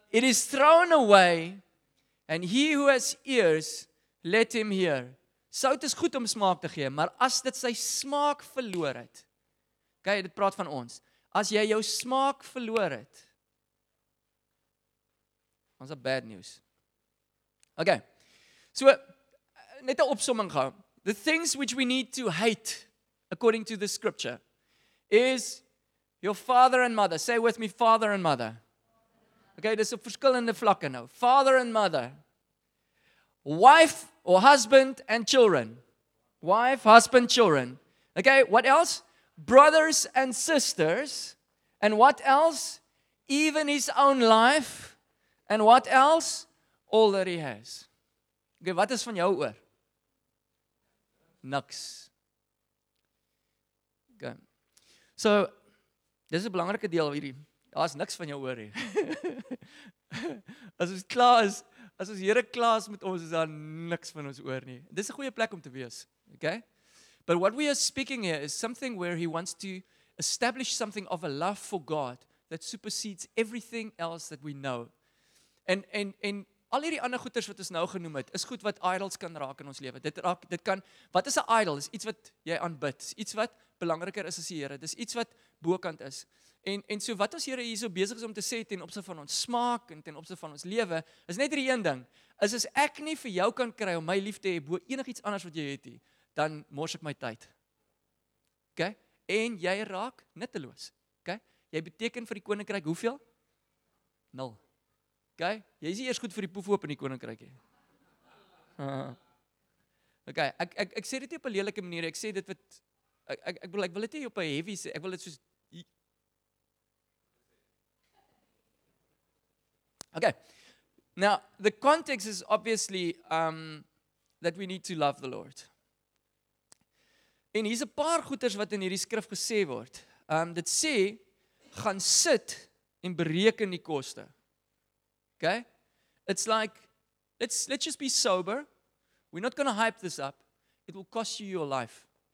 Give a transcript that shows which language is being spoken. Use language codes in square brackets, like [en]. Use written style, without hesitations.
[en] "It is thrown away, and he who has ears, let him hear." [af] Sout is goed om smaak te gee, maar as dit sy smaak verloor het, okay, dit praat van ons, as jy jou smaak verloor het, ons het bad news. Okay, so, net 'n opsomming gehou. [en] the things which we need to hate, according to the scripture, is your father and mother. Say with me, father and mother. [af] Okay, dis 'n verskillende vlakke nou. [en] Father and mother. Wife or husband and children. Wife, husband, children. Okay, what else? Brothers and sisters. And what else? Even his own life. And what else? All that he has. [af] Okay, wat is van jou oor? Niks. Okay. So, dis 'n belangrike deel hierdie. Daar is niks van jou oor hier. As ons klaar is, as ons Here klaar is met ons, is daar niks van ons oor nie. Dis 'n goeie plek om te wees. Okay? [en] But what we are speaking here is something where he wants to establish something of a love for God that supersedes everything else that we know. [af] En al hierdie ander goeders wat ons nou genoem het, is goed wat idols kan raak in ons lewe. Dit kan, wat is 'n idol? Is iets wat jy aanbid. Is iets wat belangriker is as die Here. Dis iets wat bokant is. En so wat ons Here hierso besig is om te sê ten opsig van ons smaak en ten opsig van ons lewe, is net hierdie een ding. Is as ek nie vir jou kan kry om my lief te hê bo enigiets anders wat jy het nie, dan mors ek my tyd. Okay? En jy raak nutteloos. Okay? Jy beteken vir die koninkryk hoeveel? Nul. Okay? Jy is nie eers goed vir die poef hoop in die koninkryk nie. Okay, ek sê dit nie op 'n lelike manier. Ek sê dit wat ek wil dit nie op 'n heavy sê. Ek wil dit soos okay. [en] Now, the context is obviously that we need to love the Lord. [af] En hier's 'n paar goeters wat in hierdie skrif gesê word. Dit sê gaan sit en bereken die koste. Okay? [en] It's like let's just be sober. We're not going to hype this up. It will cost you your life.